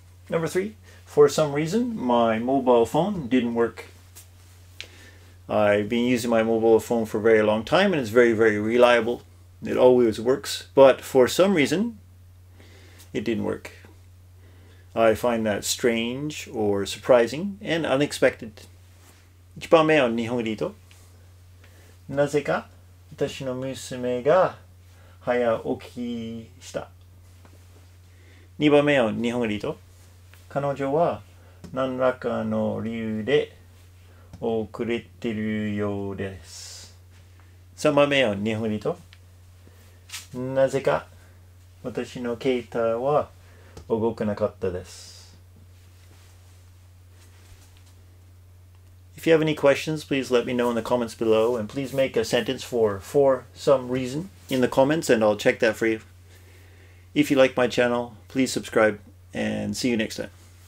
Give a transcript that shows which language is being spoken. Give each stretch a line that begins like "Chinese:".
English: Number three, for some reason, my mobile phone didn't work. I've been using my mobile phone for a very long time, and it's very, very reliable. It always works, but for some reason, it didn't work. I find that strange or surprising and unexpected.
Japanese: 一番目は日本語で言うと、なぜか私の娘が早起きした。二番目は日本語で言うと、彼女は何らかの理由で遅れてるようです。三番目は日本語で言うと、なぜか私の携帯は動くなかったです。
English: If you have any questions, please let me know in the comments below, and please make a sentence for some reason in the comments, and I'll check that for you. If you like my channel, please subscribe, and see you next time.